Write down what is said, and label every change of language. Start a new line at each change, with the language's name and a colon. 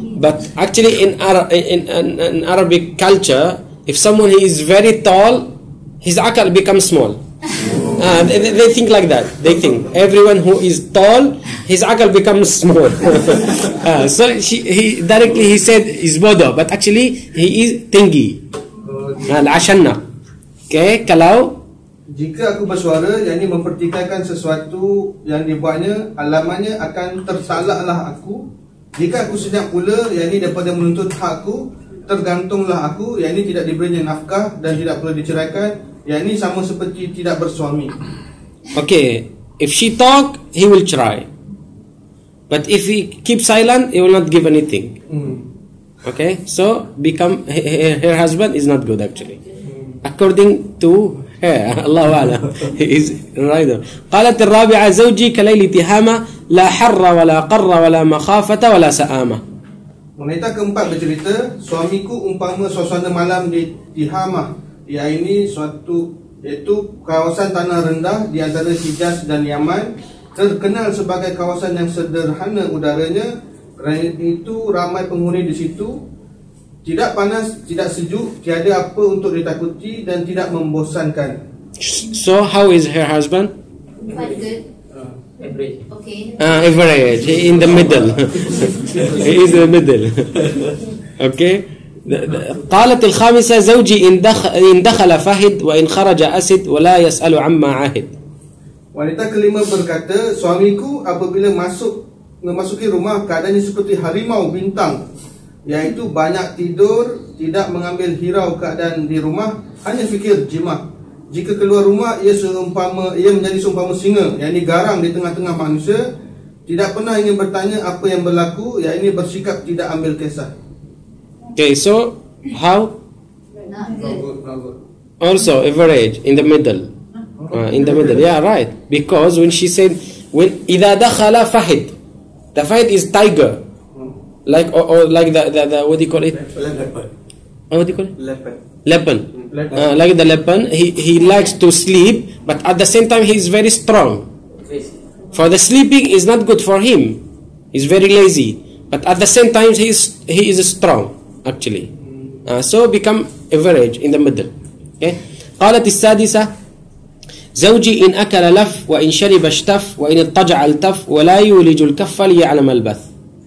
English: But actually in Arabic culture, if someone he is very tall, his akal becomes small. They think like that. They think everyone who is tall, his akal becomes small. so he said is
Malay: bodo,
English: but actually he is
Malay: tinggi. Al-ashanna. Okay, kalau jika aku bersuara, yakni mempertikaikan sesuatu yang dibuatnya, alamannya akan tersalahlah aku. Jika aku senyap pula, yakni daripada menuntut hakku, tergantunglah aku, yakni tidak diberinya nafkah dan tidak perlu diceraikan, yakni sama seperti tidak bersuami.
English: Okay, if she talk, he will try. But if he keep silent, he will not give anything. Okay, so become her husband is not good actually. According to
Arabic: الله أعلم.
English: is right.
Arabic: قالت الرابعة زوجي كليل تهامة لا حر ولا قر ولا مخافة ولا سآمة.
Malay: Wanita keempat bercerita, suamiku umpama suasana malam di Tihamah, iaitu suatu itu kawasan tanah rendah di antara Hijaz dan Yaman, terkenal sebagai kawasan yang sederhana udaranya, kerana itu ramai penghuni di situ. Tidak panas, tidak sejuk, tiada apa untuk ditakuti dan tidak membosankan.
English: So, how is her husband? Quite good. Average. Okay. Average. In the middle. He is in the middle. Okay.
Arabic: قالت الخامسة زوجي إن دخل فهد وإن خرج أسد ولا يسأل عما عهد.
Malay: Wanita kelima berkata, suamiku apabila masuk memasuki rumah keadaannya seperti harimau bintang, yaitu banyak tidur, tidak mengambil hirau keadaan di rumah, hanya fikir jima. Jika keluar rumah, ia menjadi seumpama singa, yaitu garang di tengah-tengah manusia, tidak pernah ingin bertanya apa yang berlaku, yaitu bersikap tidak ambil kisah.
English: Okay, so how? Not good. Also average, in the middle. In the middle, yeah, right. Because when she said, when
Arabic: إِذَا دَخَلَ فَهِدْ,
English: the fight is tiger. Like or like the what do you call it? Leopard. Oh, what do you call it? Leopard. Like the leopard, he likes to sleep, but at the same time he is very strong. For the sleeping is not good for him. He's very lazy, but at the same time he is strong actually. So become average in the middle. Okay.
Arabic: قالت السادسة زوجي إن أكل لف وإن شرب اشتف وإن اضطجع التف ولا يولج الكف ليعلم البث.